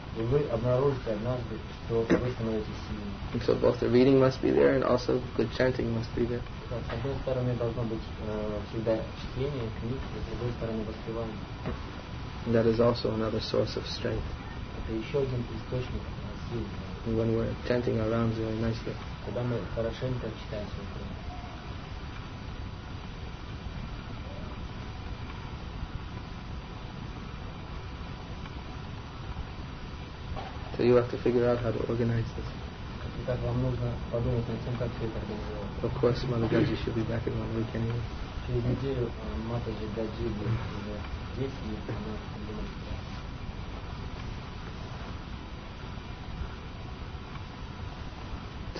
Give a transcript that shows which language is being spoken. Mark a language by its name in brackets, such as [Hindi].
[Russian] И вы обнаружите однажды, что вы становитесь сильным. [English] So both the reading must be there and also good chanting must be there. [Russian] С одной стороны должно быть всегда чтение книг, с другой стороны воспевание. [English] That is also another source of strength. [Russian] Это еще один источник силы. [English] When we're chanting our rounds very nicely. [Russian] Когда мы хорошенько читаем свои книги. [English] So you have to figure out how to organize this. [Russian] Итак, вам нужно подумать над тем, как все это организовать. [English] Of course, Mother Gaji should be back in one week anyway. [Russian] Через неделю Матаджи Гаджи будет уже здесь, и она будет.